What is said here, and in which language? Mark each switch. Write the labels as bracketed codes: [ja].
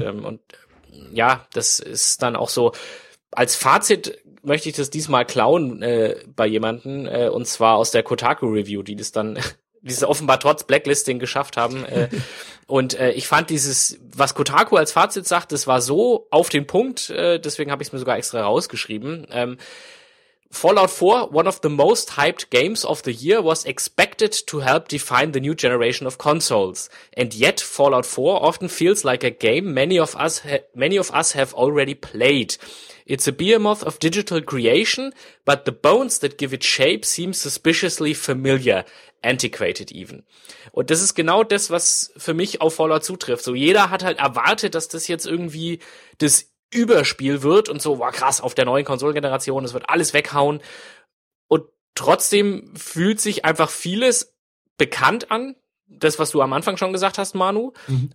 [de] Und ja, das ist dann auch so. Als Fazit möchte ich das diesmal klauen bei jemanden, und zwar aus der Kotaku Review, die das dann dieses offenbar trotz Blacklisting geschafft haben. Ich fand dieses, was Kotaku als Fazit sagt, das war so auf den Punkt, deswegen habe ich es mir sogar extra rausgeschrieben. [en] Fallout 4, one of the most hyped games of the year, was expected to help define the new generation of consoles. And yet, Fallout 4 often feels like a game many of us have already played. It's a behemoth of digital creation, but the bones that give it shape seem suspiciously familiar, antiquated even. [de] Und das ist genau das, was für mich auf Fallout zutrifft. So, jeder hat halt erwartet, dass das jetzt irgendwie das Überspiel wird und so, war krass, auf der neuen Konsolengeneration, es wird alles weghauen. Und trotzdem fühlt sich einfach vieles bekannt an, das, was du am Anfang schon gesagt hast, Manu. Mhm.